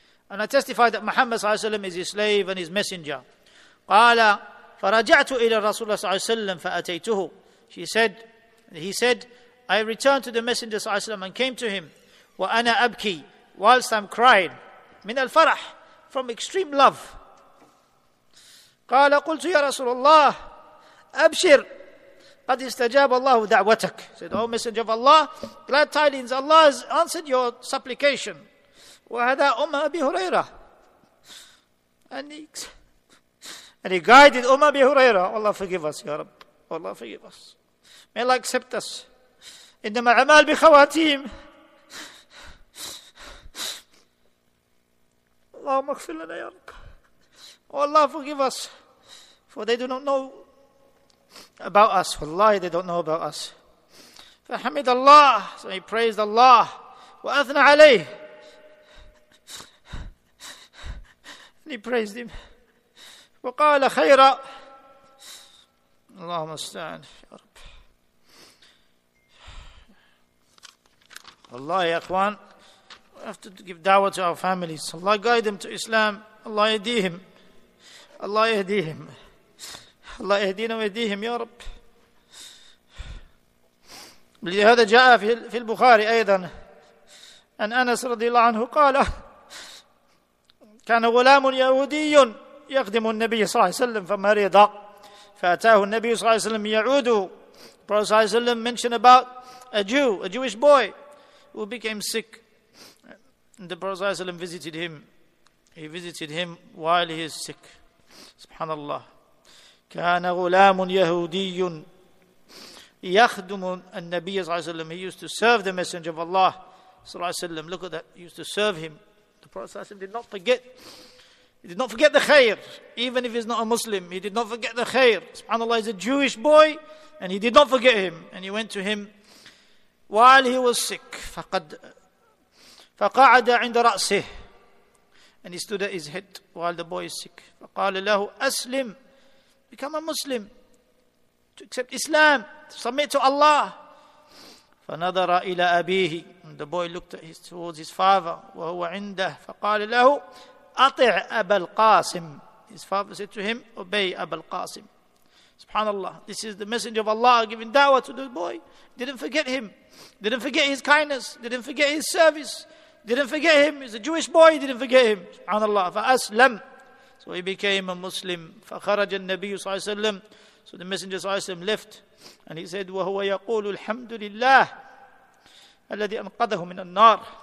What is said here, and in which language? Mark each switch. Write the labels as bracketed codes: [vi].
[en] And I testify that Muhammad صلى الله عليه وسلم is his slave and his messenger. [ar] قَالَ فَرَجَعْتُ إِلَى الرَّسُولَ صلى الله عليه وسلم فَأَتَيْتُهُ. [en] He said, I returned to the Messenger صلى الله عليه وسلم and came to him. [ar] وَأَنَا أَبْكِي, [en] whilst I'm crying. [ar] مِنَ الْفَرَحِ, [en] from extreme love. [ar] قال قلت يا رسول الله أبشر قد استجاب الله دعوتك. [en] Said, O Messenger of Allah, glad tidings, Allah has answered your supplication. [ar] وهذا أم أبي هريرة. [en] And he guided أم أبي هريرة. Allah forgive us, يا رب. Allah forgive us. May Allah accept us. [ar] إنما عمال بخواتيم. اللهم اغفر لنا يا رب. [en] Allah forgive us. For they do not know about us. Wallahi, they don't know about us. [ar] فحمد الله. [en] So he praised Allah. [ar] وأثنى عليه. [en] And he praised him. [ar] وقال خيرا. اللهم استعان يا رب. والله يا اخوان, [en] we have to give da'wah to our families. Allah guide them to Islam. [ar] Allah يهديهم. Allah يهديهم. الله يهدينا ويهديهم يا رب. لهذا جاء في البخاري أيضا أن أنس رضي الله عنه قال كان غلام يهودي يخدم النبي صلى الله عليه وسلم فمرض فأتاه النبي صلى الله عليه وسلم يعود. [en] صلى الله عليه وسلم mentioned about a Jewish boy who became sick, and the Prophet صلى الله عليه وسلم visited him while he is sick. [ar] سبحان الله. كان غلام يهودي يخدم النبي صلى الله عليه وسلم. [en] He used to serve the Messenger of Allah صلى الله عليه وسلم. Look at that. He used to serve him. The Prophet صلى الله عليه وسلم did not forget the khair. Even if he's not a Muslim, he did not forget the khair. SubhanAllah, he's a Jewish boy and he did not forget him. And he went to him while he was sick. [ar] فقعد عند رأسه. [en] And he stood at his head while the boy is sick. [ar] فقال له أسلم. [en] Become a Muslim, to accept Islam, to submit to Allah. [ar] فَنَذَرَ إِلَىٰ أَبِيهِ. [en] And the boy looked at towards his father. [ar] وَهُوَ عِنْدَهُ. فَقَالَ لَهُ أَطِعْ أَبَا الْقَاسِمِ. [en] His father said to him, obey Abul Qasim. SubhanAllah, this is the Messenger of Allah giving da'wah to the boy. Didn't forget him. Didn't forget his kindness. Didn't forget his service. Didn't forget him. He's a Jewish boy. Didn't forget him. [ar] SubhanAllah. فَأَسْلَمْ. [en] So he became a Muslim. [ar] فخرج النبي صلى الله عليه وسلم. [en] So the Messenger صلى الله عليه وسلم left, and he said, [ar] وَهُوَ يَقُولُ الْحَمْدُ لِلَّهِ الَّذِي أَنْقَذَهُ مِنَ النَّارِ.